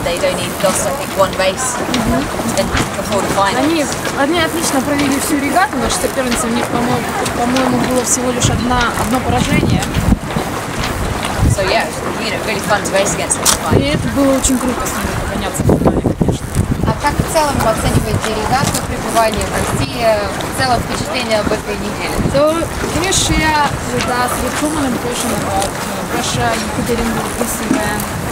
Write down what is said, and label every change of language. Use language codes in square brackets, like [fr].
[en] They'd only lost, I think, one race before the final. [ru] Они отлично провели всю регату, но соперницы у них, по-моему, было всего лишь одно поражение. [en] So yeah, really fun to race against them. [ru] И это было очень круто с ними погоняться. Как в целом вы оцениваете регату, пребывание в России, в целом впечатление об этой неделе? [en] So, can you share with us your common impression about Russia, Екатеринбург, this event?